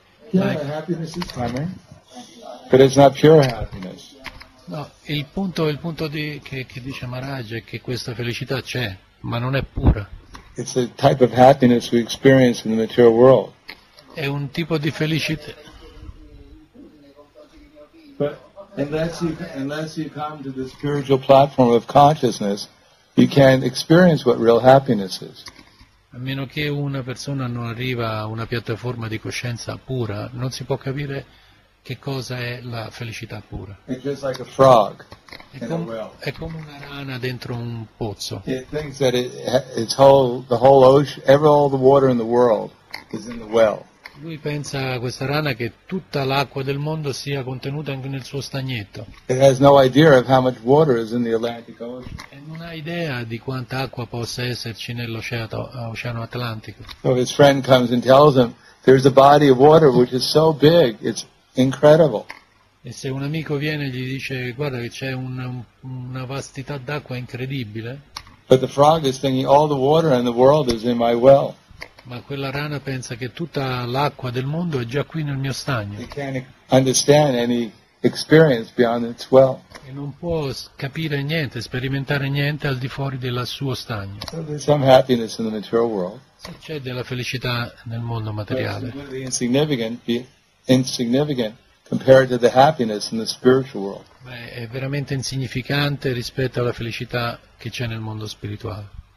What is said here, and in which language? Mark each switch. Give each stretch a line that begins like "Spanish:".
English: Yeah, like, happiness is coming, but it's not pure happiness.
Italian: No, il punto che dice Maharaj è che questa felicità c'è, ma non è pura.
English: It's a type of happiness we experience in the material world.
Italian: È un tipo di felicità.
English: But unless you come to the spiritual platform of consciousness, you can't experience what real happiness is.
Italian: A meno che una persona non arriva a una piattaforma di coscienza pura, non si può capire che cosa è la felicità pura.
English: It's just like a frog.
Italian: È come una rana dentro un pozzo.
English: It thinks that it's whole, the whole ocean, all the water in the world is in the well.
Italian: Lui pensa, questa rana, che tutta l'acqua del mondo sia contenuta anche nel suo stagnetto.
English: It has no idea of how much water is in the Atlantic Ocean.
Italian: E non ha idea di quanta acqua possa esserci nell'oceano Atlantico.
English: So his friend comes and tells him, there's a body of water which is so big, it's incredible.
Italian: E se un amico viene gli dice, guarda che c'è una vastità d'acqua incredibile.
English: But the frog is thinking, all the water in the world is in my well.
Italian: Ma quella rana pensa che tutta l'acqua del mondo è già qui nel mio stagno.
English: It can't understand any experience beyond its well.
Italian: E non può capire niente, sperimentare niente al di fuori del suo stagno.
English: So there's some happiness in the material world.
Italian: Se c'è della felicità nel mondo materiale.
English: But it's insignificant, insignificant compared to the happiness in the spiritual world.
Italian: Beh, è veramente insignificante rispetto alla felicità che c'è nel mondo spirituale.